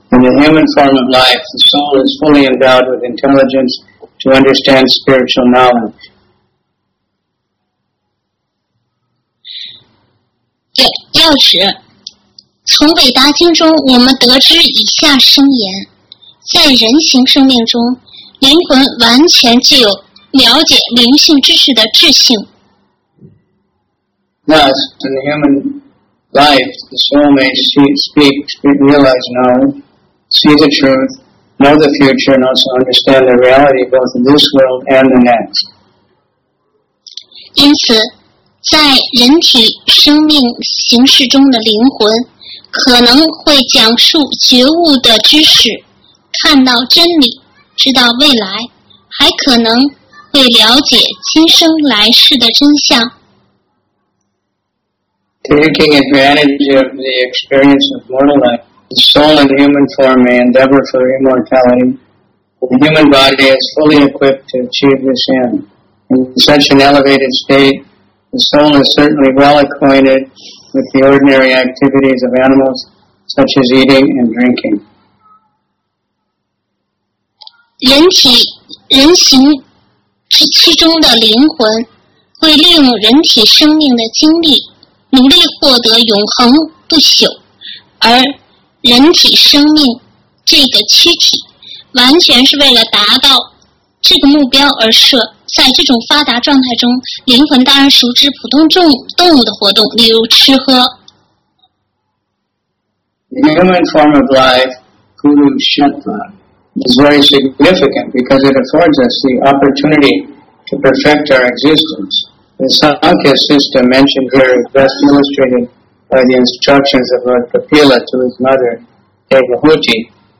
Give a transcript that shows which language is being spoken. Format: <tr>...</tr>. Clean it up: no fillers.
<en>In the human form of life, the soul is fully endowed with intelligence to understand spiritual knowledge.</en> <zh>要是从伟达经中我们得知以下声言，在人形生命中，灵魂完全具有了解灵性知识的智性。</zh> <en>Thus, in the human life, the soul may speak, realize knowledge, see the truth, know the future, and also understand the reality both in this world and the next.</en> <zh>因此在人体生命形式中的灵魂可能会讲述觉悟的知识，看到真理，知道未来，还可能会了解今生来世的真相。</zh> <en>Taking advantage of the experience of mortal life, the soul in human form may endeavor for immortality. The human body is fully equipped to achieve this end. In such an elevated stateThe soul is certainly well acquainted with the ordinary activities of animals, such as eating and drinking.</en> <zh>人形之中的灵魂会利用人体生命的经历，努力获得永恒不朽。而人体生命这个躯体，完全是为了达到这个目标而设。在这种发达状态中，灵魂当然熟知普通动物的活动，例如吃喝。</zh> <en>The human form of life, Purushattva, is very significant because it affords us the opportunity to perfect our existence. The Sankhya system mentioned here is best illustrated by the instructions of Lord Kapila to his mother, Devahuti.</en>